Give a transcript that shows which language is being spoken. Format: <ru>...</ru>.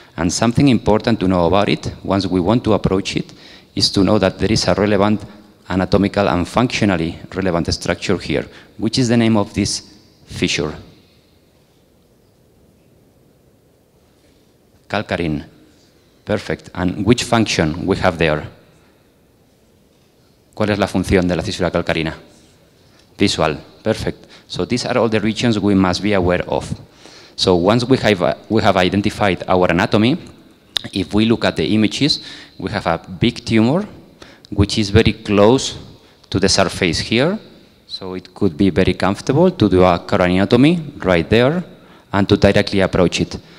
<en>And something important to know about it, once we want to approach it, is to know that there is a relevant anatomical and functionally relevant structure here, which is the name of this fissure. Calcarine. Perfect. And which function we have there?</en> <es>¿Cuál es la función de la fisura calcarina?</es> <en>Visual, perfect. So these are all the regions we must be aware of. So once we have identified our anatomy, if we look at the images, we have a big tumor, which is very close to the surface here. So it could be very comfortable to do a craniotomy right there and to directly approach it.</en>